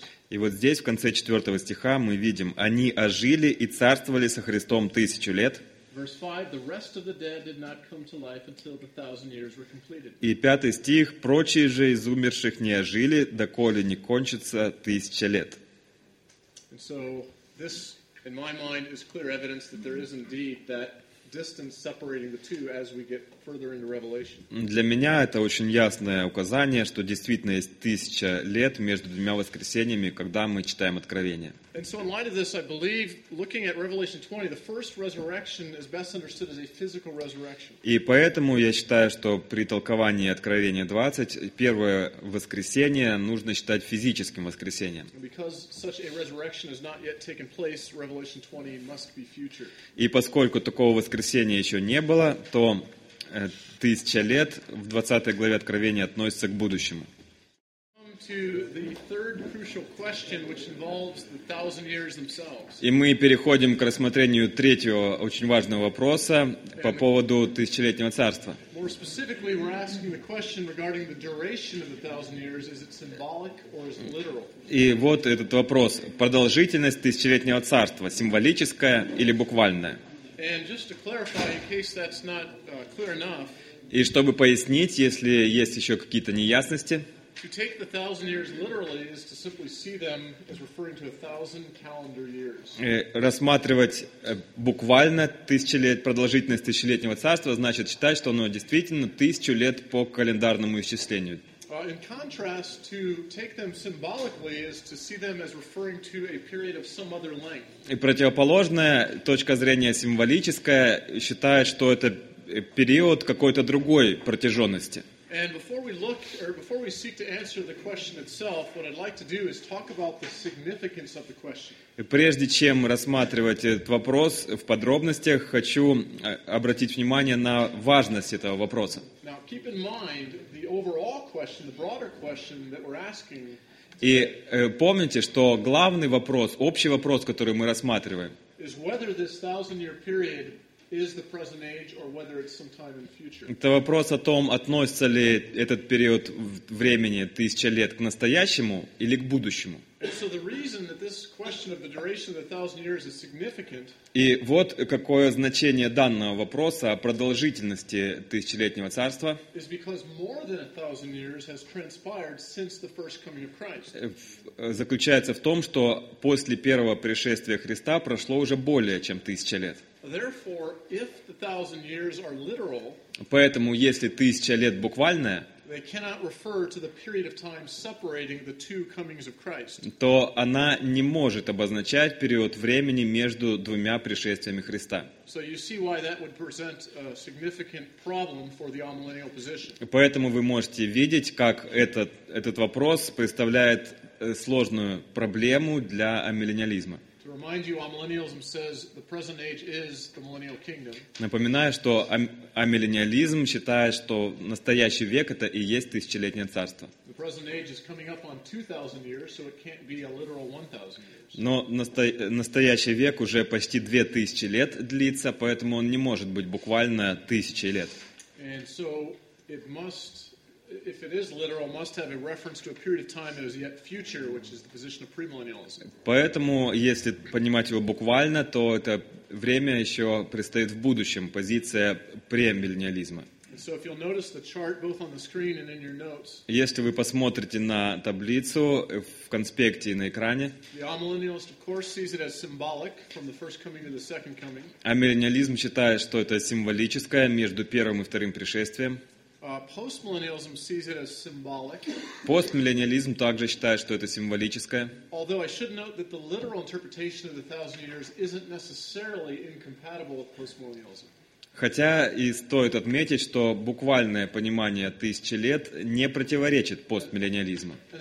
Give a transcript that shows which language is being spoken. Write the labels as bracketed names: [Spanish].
[Russian] И вот здесь, в конце 4 стиха, мы видим, они ожили и царствовали со Христом 1000 лет. [English] Verse 5, the rest of the dead did not come to life until the 1000 years were completed. [Russian] И пятый стих, прочие же из умерших не ожили, доколе не кончится 1000 лет. [English] And so, this, in my mind, is clear evidence that there is indeed that distance separating the two as we get further into Revelation. [Russian] Для меня это очень ясное указание, что действительно есть 1000 лет между двумя воскресениями, когда мы читаем Откровение. [English] And so in light of this, I believe, looking at Revelation 20, the first resurrection is best understood as a physical resurrection. [Russian] И поэтому я считаю, что при толковании Откровения 20, первое воскресение нужно считать физическим воскресением. [English] Because such a resurrection has not yet taken place, Revelation 20 must be future. [Russian] И поскольку такого воскресения еще не было, то 1000 лет в 20 главе Откровения относится к будущему. [English] To the third crucial question, which involves the 1000 years themselves. [Russian] И мы переходим к рассмотрению третьего очень важного вопроса по поводу тысячелетнего царства. [English] More specifically, we're asking the question regarding the duration of the 1000 years: is it symbolic or is it literal? [Russian] И вот этот вопрос: продолжительность тысячелетнего царства символическая или буквальная? [English] And just to clarify, in case that's not clear enough. [Russian] И чтобы пояснить, если есть еще какие-то неясности. [English] To take the 1000 years literally is to simply see them as referring to 1000 calendar years. [Russian] Рассматривать буквально тысячу лет продолжительность тысячелетнего царства значит считать, что оно действительно 1000 лет по календарному исчислению. [English] In contrast, to take them symbolically is to see them as referring to a period of some other length. [Russian] И противоположная точка зрения символическая считает, что это период какой-то другой протяженности. [English] And before we seek to answer the question itself, what I'd like to do is talk about the significance of the question. [Russian] Прежде чем рассматривать этот вопрос в подробностях, хочу обратить внимание на важность этого вопроса. [English] Now, keep in mind the overall question, the broader question that we're asking. [Russian] И помните, что главный вопрос, общий вопрос, который мы рассматриваем, [English] is whether this 1000-year period is the present age or whether it's sometime in the future. [Russian] Это вопрос о том, относится ли этот период времени 1000 лет к настоящему или к будущему. [English] So the reason that this question of the duration of the 1000 years is significant. [Russian] И вот какое значение данного вопроса о продолжительности тысячелетнего царства. [English] Is because more than 1000 years has transpired since the first coming of Christ. [Russian] Заключается в том, что после первого пришествия Христа прошло уже более чем 1000 лет. [English] Therefore, if the 1000 years are literal, [Russian] поэтому если 1000 лет буквальное, [English] they cannot refer to the period of time separating the two comings of Christ. [Russian] То она не может обозначать период времени между двумя пришествиями Христа. [English] So you see why that would present a significant problem for the amillennial position. [Russian] Поэтому вы можете видеть, как этот вопрос представляет сложную проблему для амиллениализма. [English] To remind you, amillennialism says the present age is the millennial kingdom. [Russian] Напоминаю, что амиллениализм считает, что настоящий век это и есть тысячелетнее царство. [English] The present age is coming up on 2000 years, so it can't be a literal 1000 years. [Russian] Но настоящий век уже почти 2000 лет длится, поэтому он не может быть буквально 1000 лет. [English] And so it must if it is literal, must have a reference to a period of time that is yet future, which is the position of premillennialism. [Russian] Поэтому, если понимать его буквально, то это время еще предстоит в будущем, позиция премиллениализма. [English] So if you'll notice the chart both on the screen and in your notes. [Russian] Если вы посмотрите на таблицу в конспекте и на экране. [English] The amillennialist of course sees it as symbolic from the first coming to the second coming. [Russian] Амиллениализм считает, что это символическое между первым и вторым пришествием. [English] Postmillennialism sees it as symbolic. [Russian] Постмиллениализм также считает, что это символическое. [English] Although I should note that the literal interpretation of the thousand years isn't necessarily incompatible with postmillennialism. [Russian] Хотя и стоит отметить, что буквальное понимание тысячи лет не противоречит постмиллениализму.